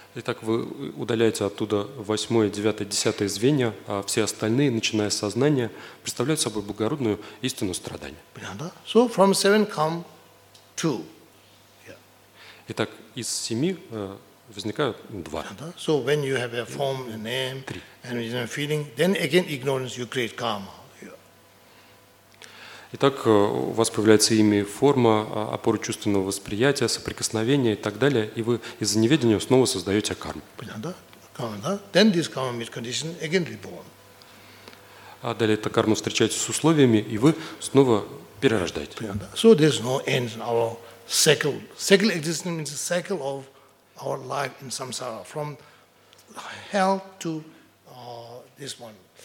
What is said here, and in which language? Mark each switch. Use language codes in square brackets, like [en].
[ru] Итак, вы удаляете оттуда восьмое, девятое, десятое звенья, а все остальные, начиная с сознания, представляют собой благородную истину страдания. Понятно? [en] So from seven come two. Yeah. [ru] Итак, из семи возникают два. Понятно? [en] So when you have a form, a name, [ru] три. [en] And you have a feeling, then again ignorance, you create karma. [ru] Итак, у вас появляется имя и форма, опора чувственного восприятия, соприкосновения и так далее, и вы из-за неведения снова создаете карму. Понятно, да? Карма, да? [en] Then this karma meets condition, again reborn. [ru] А далее эта карма встречается с условиями, и вы снова перерождаете. Понятно, да? [en] So there's no end in our cycle. Cycle existence means the cycle of our life in samsara, from hell to this one.